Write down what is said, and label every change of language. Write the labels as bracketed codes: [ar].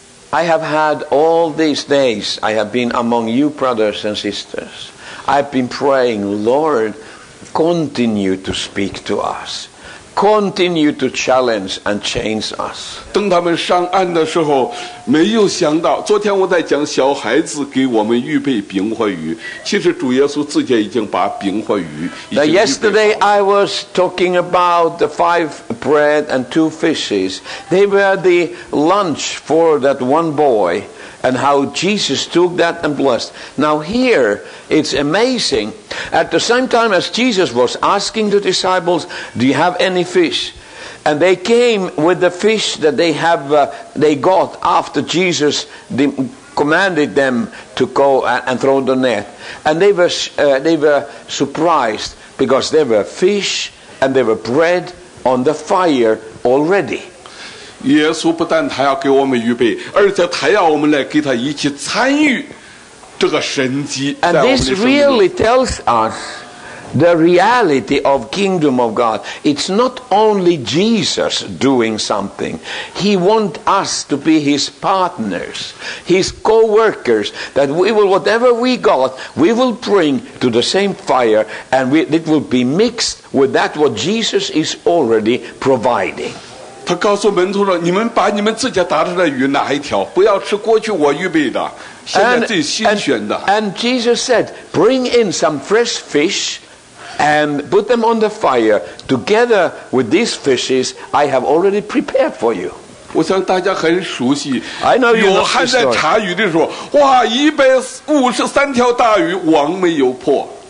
[en] I have had all these days, I have been among you brothers and sisters. I've been praying, Lord, continue to speak to us. Continue to challenge and change us. [zh] 当他们上岸的时候，没有想到，昨天我在讲小孩子给我们预备饼和鱼，其实主耶稣自己已经把饼和鱼已经预备好了。 [en] Now yesterday I was talking about the 5 bread and 2 fishes. They were the lunch for that one boy. And how Jesus took that and blessed. Now here, it's amazing. At the same time as Jesus was asking the disciples, do you have any fish? And they came with the fish that they got after Jesus commanded them to go and throw the net. And they were surprised because there were fish and there were bread on the fire already. [zh] 耶稣不但他要给我们预备，而且他要我们来给他一起参与这个神迹。 [en] And this really tells us the reality of kingdom of God. It's not only Jesus doing something. He wants us to be his partners, his co-workers, that we will, whatever we got, we will bring to the same fire, and it will be mixed with that what Jesus is already providing. [zh] 他告诉门徒说,你们把你们自家打出来的鱼拿一条,不要吃过去我预备的。 [en] And Jesus said, bring in some fresh fish and put them on the fire. Together with these fishes, I have already prepared for you. I know you know this story.